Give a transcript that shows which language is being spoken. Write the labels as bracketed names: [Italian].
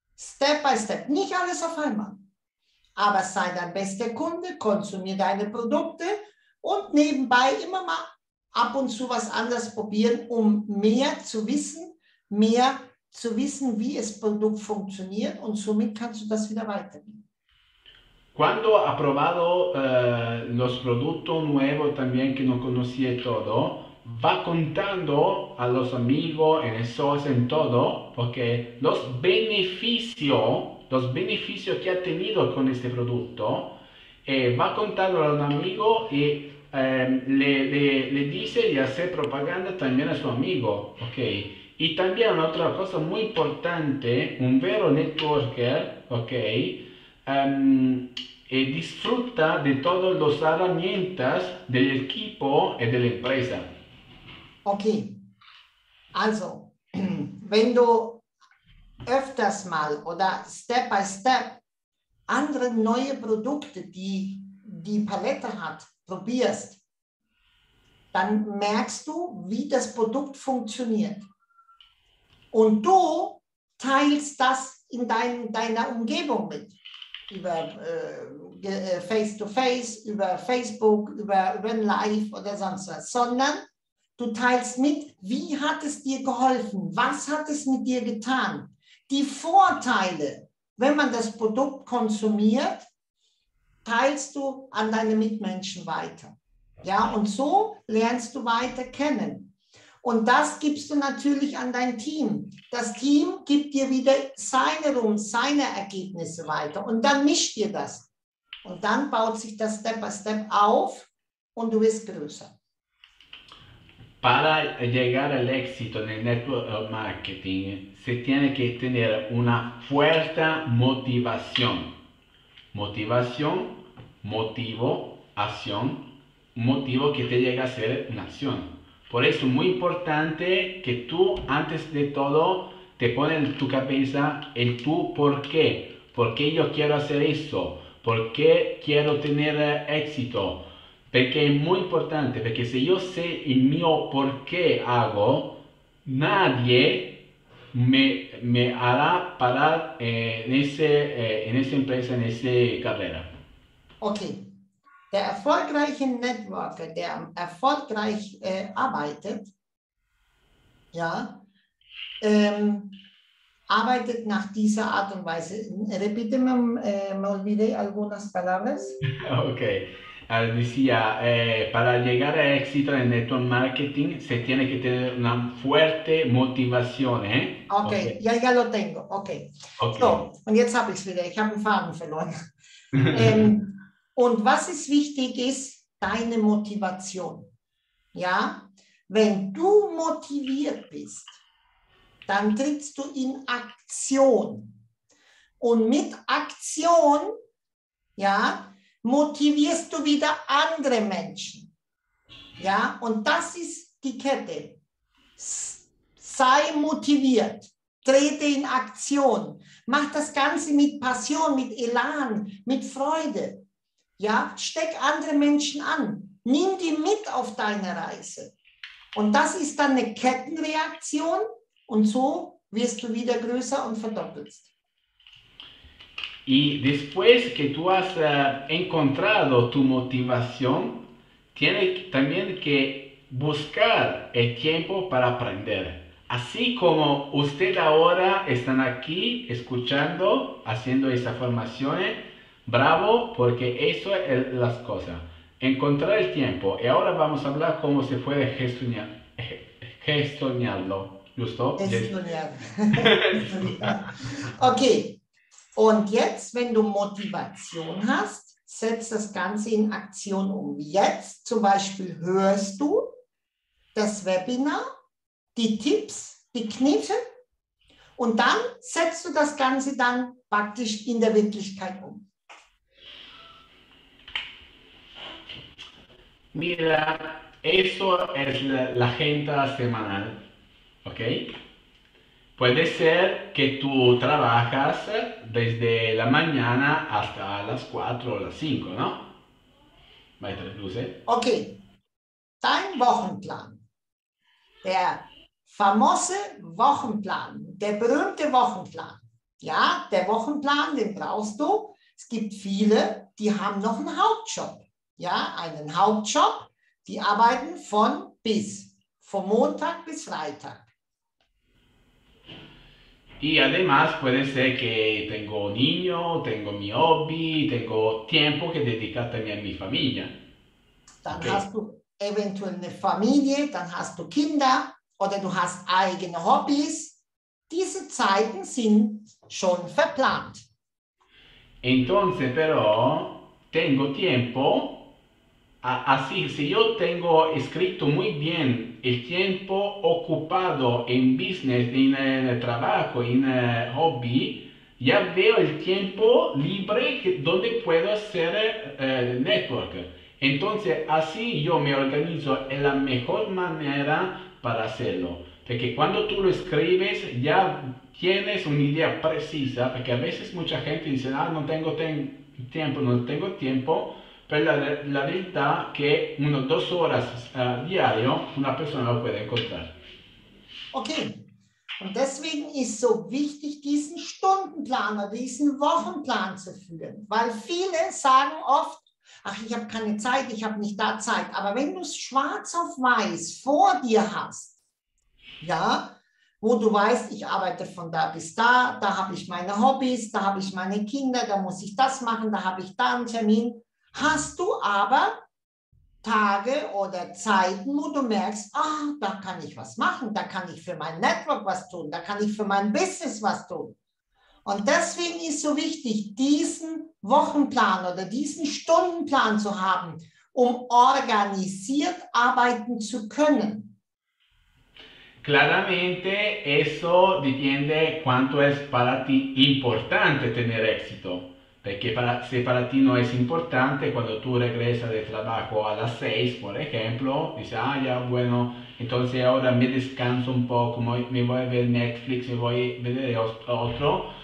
[English] Step by Step, [German] nicht alles auf einmal. Aber sei dein bester Kunde, konsumiere deine Produkte und nebenbei immer mal ab und zu was anderes probieren, um mehr zu wissen, wie es Produkt funktioniert und somit kannst du das wieder weitergeben. [Spanish] Cuando ha probado los productos nuevos también que no conocía todo, va contando a los amigos en eso, en todo, porque los beneficios que ha tenido con este producto, va contando a un amigo y le dice de hacer propaganda también a su amigo, okay. Y también una otra cosa muy importante, un vero networker, okay. Y disfruta de todas las herramientas del equipo y de la empresa. [German] Okay, also wenn du öfters mal oder [English] Step by Step [German] andere neue Produkte, die die Palette hat, probierst, dann merkst du, wie das Produkt funktioniert. Und du teilst das in deiner Umgebung mit, über [English] Face to Face, [German] über Facebook, über Live oder sonst was, sondern du teilst mit, wie hat es dir geholfen? Was hat es mit dir getan? Die Vorteile, wenn man das Produkt konsumiert, teilst du an deine Mitmenschen weiter. Ja, und so lernst du weiter kennen. Und das gibst du natürlich an dein Team. Das Team gibt dir wieder seine Ergebnisse weiter. Und dann mischt ihr das. Und dann baut sich das [English] Step by Step [German] auf und du wirst größer. [Spanish] Para llegar al éxito en el network marketing se tiene que tener una fuerte motivación. Motivación, motivo, acción, motivo que te llega a ser una acción. Por eso es muy importante que tú, antes de todo, te pones en tu cabeza el tú por qué. ¿Por qué yo quiero hacer eso? ¿Por qué quiero tener éxito? Porque es muy importante, porque si yo sé el mío por qué hago, nadie me hará parar en esa empresa, en esa carrera. [German] Okay, der erfolgreiche Networker, der erfolgreich arbeitet, ja, arbeitet nach dieser Art und Weise. [Spanish] Repíteme, me olvidé algunas palabras. Okay. Decía, para llegar a éxito en el network marketing se tiene que tener una fuerte motivación, ¿eh? Okay, ya lo tengo. Okay, Okay. [German] so, und jetzt habe ich es wieder. Ich habe den Faden verloren. Und was ist wichtig, ist deine Motivation. Ja, wenn du motiviert bist, dann trittst du in Aktion. Und mit Aktion, ja, motivierst du wieder andere Menschen. Ja, und das ist die Kette. Sei motiviert. Trete in Aktion. Mach das Ganze mit Passion, mit Elan, mit Freude. Ja, steck andere Menschen an. Nimm die mit auf deine Reise. Und das ist dann eine Kettenreaktion. Und so wirst du wieder größer und verdoppelst. [Spanish] Y después que tú has encontrado tu motivación, tienes también que buscar el tiempo para aprender. Así como usted ahora están aquí escuchando, haciendo esas formaciones, bravo, porque eso es las cosas. Encontrar el tiempo. Y ahora vamos a hablar cómo se puede gestionarlo. ¿Justo? Disculpa. [German] Okay, und jetzt, wenn du Motivation hast, setzt das Ganze in Aktion um. Jetzt zum Beispiel hörst du das Webinar, die Tipps, die Kniffe und dann setzt du das Ganze dann praktisch in der Wirklichkeit um. [Spanish] Mira, eso es la agenda semanal, ¿ok? Puede ser que tú trabajas desde la mañana hasta las 4 o las 5, ¿no? [German] Weitere Bluse. Ok, dein Wochenplan. Der famose Wochenplan, der berühmte Wochenplan. Ja, der Wochenplan, den brauchst du. Es gibt viele, die haben noch einen Hauptjob. Ja, einen Hauptjob, die arbeiten von bis, von Montag bis Freitag. [Spanish] Y además puede ser que tengo un niño, tengo mi hobby, tengo tiempo que dedicar también a mi familia. [German] Dann okay. Hast du eventuell eine Familie, dann hast du Kinder oder du hast eigene Hobbys. Diese Zeiten sind schon verplant. [Spanish] Entonces, pero tengo tiempo. Así, si yo tengo escrito muy bien el tiempo ocupado en business, en el trabajo, en el hobby, ya veo el tiempo libre donde puedo hacer network. Entonces, así yo me organizo en la mejor manera para hacerlo. Porque cuando tú lo escribes, ya tienes una idea precisa, porque a veces mucha gente dice, ah, no tengo tiempo, no tengo tiempo. Pero la verdad que uno, dos horas diario una persona lo puede encontrar. Okay. [German] Und deswegen ist so wichtig, diesen Stundenplan oder diesen Wochenplan zu führen. Weil viele sagen oft, ach, ich habe keine Zeit, ich habe nicht da Zeit. Aber wenn du es schwarz auf weiß vor dir hast, ja, wo du weißt, ich arbeite von da bis da, da habe ich meine Hobbys, da habe ich meine Kinder, da muss ich das machen, da habe ich da einen Termin. Hast du aber Tage oder Zeiten, wo du merkst, ah, da kann ich was machen, da kann ich für mein Network was tun, da kann ich für mein Business was tun. Und deswegen ist so wichtig, diesen Wochenplan oder diesen Stundenplan zu haben, um organisiert arbeiten zu können. [Spanish] Claramente, eso depende cuánto es para ti importante tener éxito. Porque si para ti no es importante, cuando tú regresas de trabajo a las 6, por ejemplo, dices, ah, ya, bueno, entonces ahora me descanso un poco, me voy a ver Netflix, me voy a ver otro.